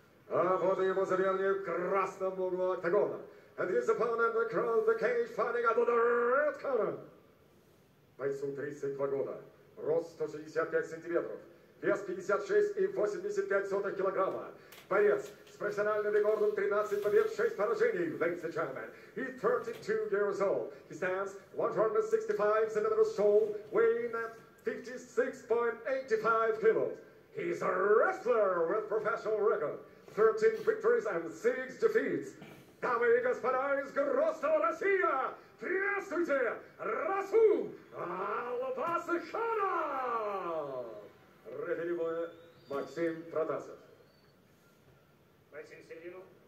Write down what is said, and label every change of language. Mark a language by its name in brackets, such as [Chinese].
[Russian] А вот и его соперник в красном углу октагона. [English] And his opponent across the cage, fighting out of the red corner. [Russian] Бойцу 32 года, рост 165 сантиметров, вес 56,85 килограмма. Борец с профессиональным рекордом 13 побед, 6 поражений, [English] ladies and gentlemen. He's 32 years old. He stands 165 centimeters tall, weighing at 56.85 kilos. He's a wrestler with professional record, 13 victories and 6 defeats. [Russian] Дамы и господа из Гростова, Россия, приветствуйте Расул Албасханов! Рефери боя Максим Протасов. Бойцы в середину.